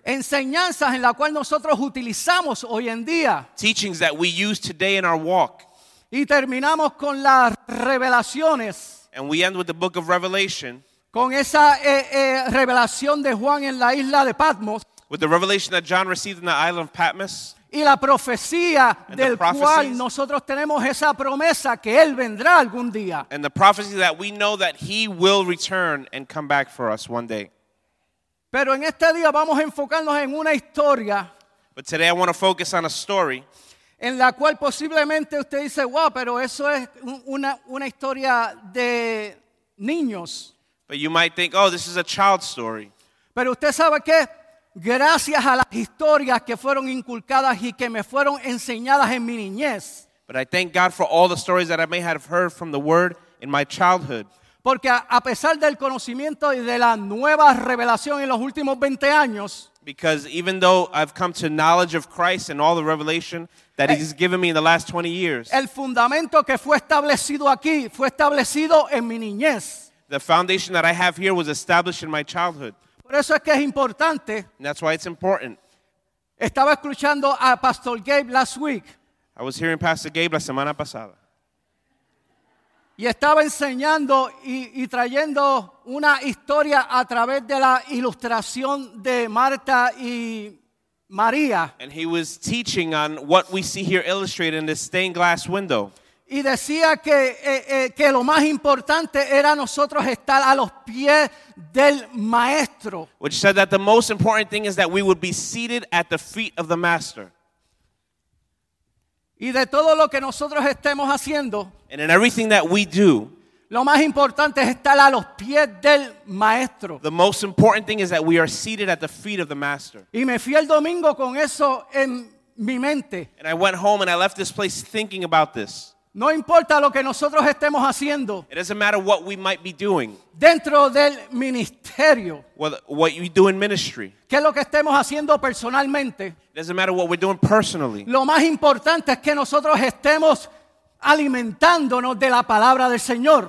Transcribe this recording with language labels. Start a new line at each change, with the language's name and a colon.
Spanish: Enseñanzas en la cual nosotros utilizamos hoy en día.
English: Teachings that we use today in our walk.
Spanish: Y terminamos con las revelaciones.
English: And we end with the book of Revelation.
Spanish: Con esa revelación de Juan en la isla de Patmos.
English: With the revelation that John received in the island of Patmos.
Spanish: Y la profecía del cual nosotros tenemos esa promesa que él vendrá algún día.
English: And the prophecy that we know that he will return and come back for us one day.
Spanish: Pero en este día vamos a enfocarnos en una historia.
English: But today I want to focus on a story.
Spanish: En la cual posiblemente usted dice, wow, pero eso es una historia de niños.
English: But you might think, oh, this is a child story.
Spanish: Pero usted sabe qué, gracias a las historias que fueron inculcadas y que me fueron enseñadas en mi niñez.
English: But I thank God for all the stories that I may have heard from the word in my childhood.
Spanish: Porque a pesar del conocimiento y de la nueva revelación en los últimos 20 años.
English: Because even though I've come to knowledge of Christ and all the revelation that he's given me in the last 20 years.
Spanish: El fundamento que fue establecido aquí fue establecido en mi niñez.
English: The foundation that I have here was established in my childhood.
Spanish: Por eso es que es importante.
English: And that's why it's important.
Spanish: Estaba escuchando a Pastor Gabe
English: last week. I was hearing Pastor Gabe
Spanish: la semana pasada. Y estaba enseñando y trayendo una historia a través de la ilustración de Marta y María.
English: And he was teaching on what we see here illustrated in this stained glass window.
Spanish: Y decía que lo más importante era nosotros estar a los pies del maestro.
English: Which said that the most important thing is that we would be seated at the feet of the master.
Spanish: Y de todo lo que nosotros estemos haciendo,
English: and in everything that we do,
Spanish: lo más importante es estar a los pies del maestro.
English: The most important thing is that we are seated at the feet of the master.
Spanish: Y me fui el domingo con eso en mi mente.
English: And I went home and I left this place thinking about this.
Spanish: No importa lo que nosotros estemos haciendo.
English: It doesn't matter what we might be doing.
Spanish: Dentro del ministerio.
English: What you do in ministry.
Spanish: Qué es lo que estemos haciendo personalmente.
English: It doesn't matter what we're doing personally.
Spanish: Lo más importante es que nosotros estemos alimentándonos de la palabra del Señor.